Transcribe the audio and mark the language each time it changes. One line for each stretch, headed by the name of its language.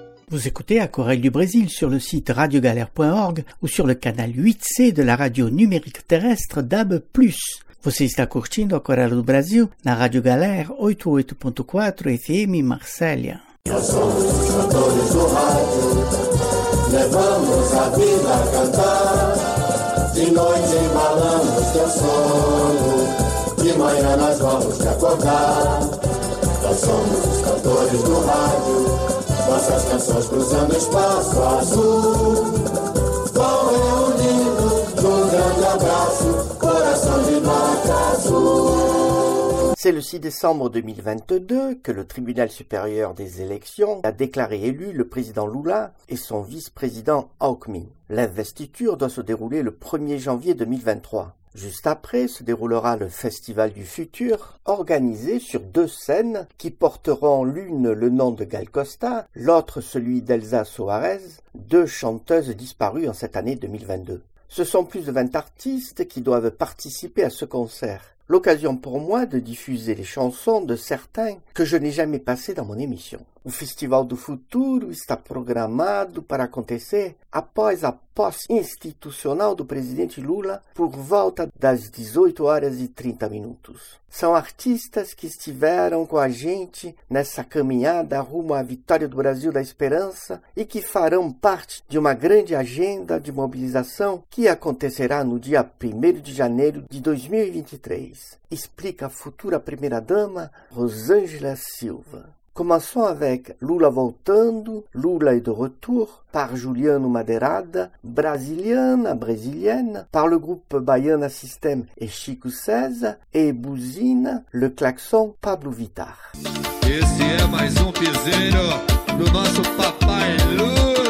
French: Vous écoutez à Corail du Brésil sur le site radiogalère.org ou sur le canal 8C de la radio numérique terrestre DAB+.
Portuguese: Você está curtindo a Corail do Brasil na Rádio Galère 88.4 FM Marselha. Levamos a vida a cantar, de noite embalamos teu sonho, de manhã nós vamos te acordar. Nós somos os cantores do rádio, nossas canções cruzando espaço azul, vão reunindo um grande abraço, coração de nota azul.
French: C'est le 6 décembre 2022 que le Tribunal supérieur des élections a déclaré élu le président Lula et son vice-président Alckmin. L'investiture doit se dérouler le 1er janvier 2023. Juste après se déroulera le Festival du Futur, organisé sur deux scènes qui porteront l'une le nom de Gal Costa, l'autre celui d'Elsa Soares, deux chanteuses disparues en cette année 2022. Ce sont plus de 20 artistes qui doivent participer à ce concert. L'occasion pour moi de diffuser les chansons de certains que je n'ai jamais passées dans mon émission.
Portuguese: O Festival do Futuro está programado para acontecer após a posse institucional do presidente Lula por volta das 18 horas e 30 minutos. São artistas que estiveram com a gente nessa caminhada rumo à vitória do Brasil da Esperança e que farão parte de uma grande agenda de mobilização que acontecerá no dia 1º de janeiro de 2023, explica a futura primeira-dama Rosângela Silva.
French: Commençons avec Lula voltando, Lula est de retour, par Juliano Maderada, brasiliana, brésilienne, par le groupe Baiana System et Chico César, et Buzina, le klaxon Pablo Vittar.
Portuguese: Esse é mais piseiro do nosso papai Lula.